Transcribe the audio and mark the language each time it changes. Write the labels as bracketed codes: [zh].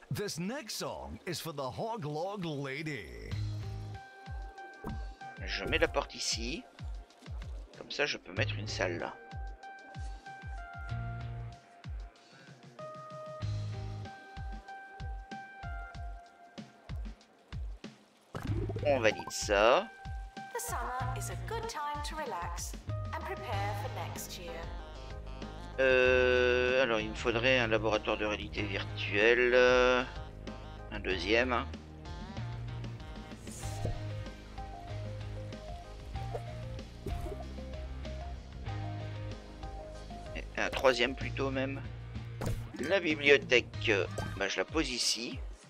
[en] This next song is for the hog log lady. [fr] Je mets la porte ici. Comme ça, je peux mettre une salle là. On valide ça. [en] The summer is a good time to relax and prepare for next year. [fr] Alors il me faudrait un laboratoire de réalité virtuelle. Un deuxième. Et un troisième plutôt même. La bibliothèque, je la pose ici.